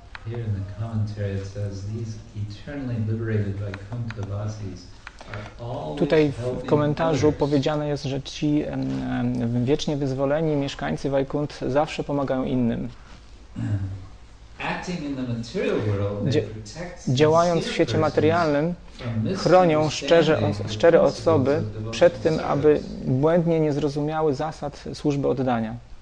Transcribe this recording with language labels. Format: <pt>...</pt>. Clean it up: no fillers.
<en>Here in the commentary it says these eternally liberated Vaikuntha Vasis are always.</en> <pl>Tutaj w komentarzu powiedziane jest, że ci wiecznie wyzwoleni mieszkańcy Vaikunt zawsze pomagają innym.</pl> <en>Acting in the material world,</en> <pl>działając w świecie materialnym, chronią szczere osoby przed tym, aby błędnie nie zrozumiały zasad służby oddania.</pl>